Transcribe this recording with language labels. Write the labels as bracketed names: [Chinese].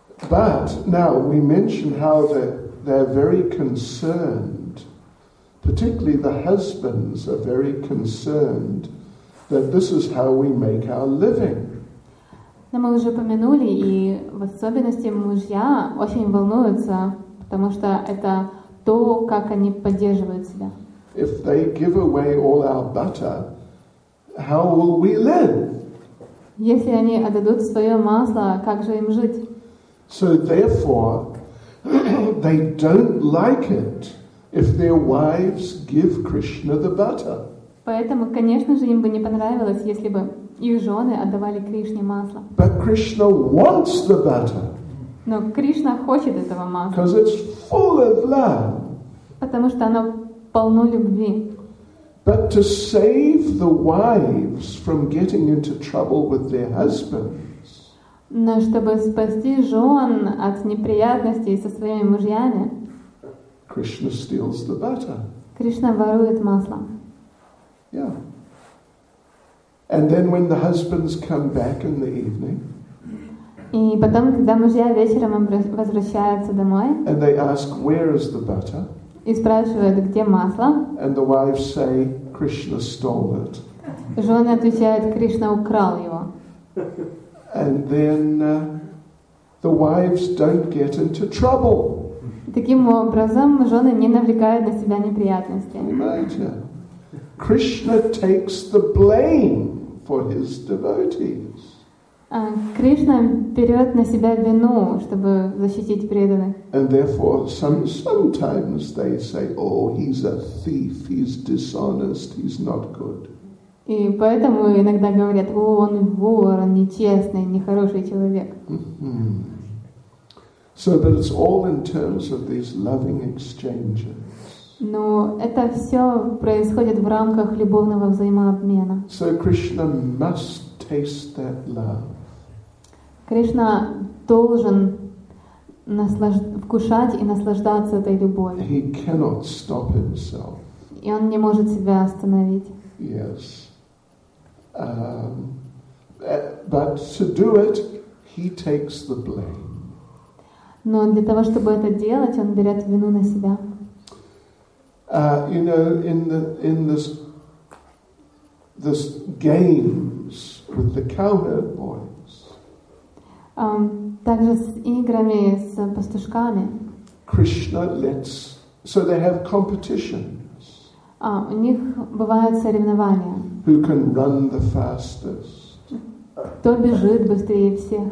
[English] But now we mention how they're very concerned, particularly the husbands are very concerned that this is how we make our living. [Russian] Но мы уже упомянули, и в особенности мужья очень волнуются, потому что это то, как они поддерживают себя. [English] If they give away all our butter, how will we live? [Russian] Если они отдадут свое масло, как же им жить? [English] So therefore, they don't like it if their wives give Krishna the butter. [Russian] Поэтому, конечно же, им бы не понравилось, если бы их жены отдавали Кришне масло. [English] But Krishna wants the butter. [Russian] Но Кришна хочет этого масла. [English] Because it's full of love. [Russian] Потому что оно полно любви. [English] But to save the wives from getting into trouble with their husbands. [Russian] Но чтобы спасти жен от неприятностей со своими мужьями, [English] Krishna steals the butter. [Russian] Кришна ворует масло. [English] Yeah. And then when the husbands come back in the evening, [Russian] и потом, когда мужья вечером возвращаются домой, [English] and they ask, where is the butter? [Russian] И спрашивают, где масло? [English] And the wives say, Krishna stole it. [Russian] Жены отвечают, Кришна украл его. [English] And then the wives don't get into trouble. [Russian] Таким образом, жены не навлекают на себя неприятности. [English] Imagine. Krishna takes the blame for his devotees. [Russian] Кришна берет на себя вину, чтобы защитить преданных. [English] And therefore, sometimes they say, "Oh, he's a thief. He's dishonest. He's not good." [Russian] И поэтому иногда говорят, о, он вор, он нечестный, нехороший человек. [English] So, but it's all in terms of these loving exchanges. [Russian] Но это все происходит в рамках любовного взаимообмена. [English] So Krishna must taste that love. [Russian] Кришна должен вкушать и наслаждаться этой любовью. [English] He cannot stop himself. [Russian] И он не может себя остановить. [English] Yes. But to do it, he takes the blame. [Russian] Но для того, чтобы это делать, он берет вину на себя. [English] You know, in this games with the cowherd boys. [Russian] Также с играми с пастушками. [English] Krishna lets, so they have competitions. [Russian] У них бывают соревнования. [English] Who can run the fastest? [Russian] Кто бежит быстрее всех?